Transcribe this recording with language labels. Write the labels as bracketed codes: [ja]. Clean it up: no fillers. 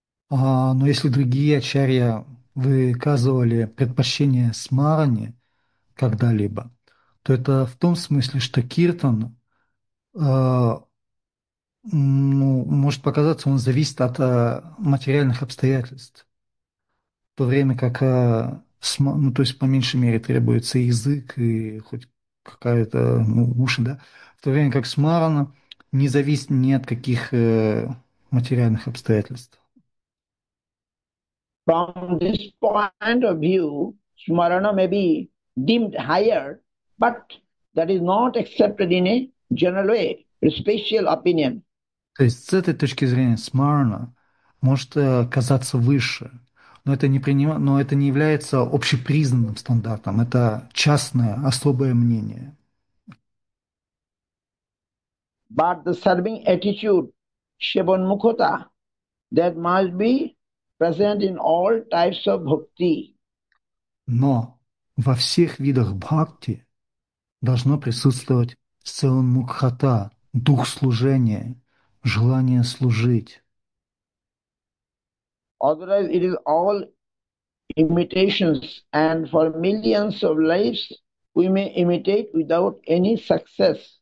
[ru] Но если другие ачарья выказывали предпочтение смаране когда-либо, то это в том смысле, что киртан может показаться, он зависит от материальных обстоятельств, в то время как, ну, то есть по меньшей мере требуется язык и хоть какая-то, ну, уши, да, в то время как смарана не зависит ни от каких материальных обстоятельств. [en] From this point of view, smarana may be deemed higher, but that is not accepted in a general way, a special opinion. [ru] То есть с этой точки зрения смарана может казаться выше, но это не приним... но это не является общепризнанным стандартом. Это частное, особое мнение. [en] But the serving attitude, shevan mukhata, that must be present in all types of bhakti. [ru] Но во всех видах бхакти должно присутствовать сэван мукхата, дух служения, желание служить. [en] Otherwise, it is all imitations, and for millions of lives we may imitate without any success.